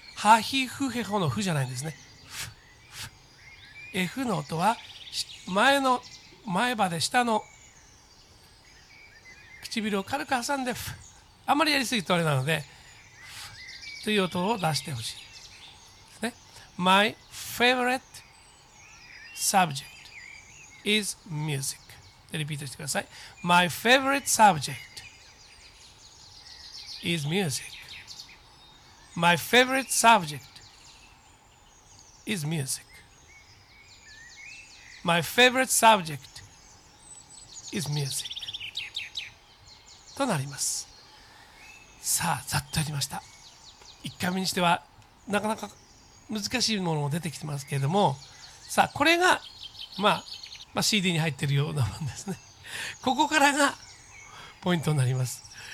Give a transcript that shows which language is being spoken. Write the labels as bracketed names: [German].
[Japanese] ハヒフヘホのフじゃないんですね。F の音は前の前歯で下の唇を軽く挟んで、あまりやりすぎるとあれなので、という音を出してほしいですね。 [English] My favorite subject is music. [Japanese] リピートしてください。 [English] My favorite subject is music. My favorite subject is musicMy favorite subject is music. [Japanese] となります。さあ、ざっとやりました。一回目にしては、なかなか難しいものも出てきてますけれども、さあ、これが、まあ、CD に入っているようなもんですね。ここからがポイントになります。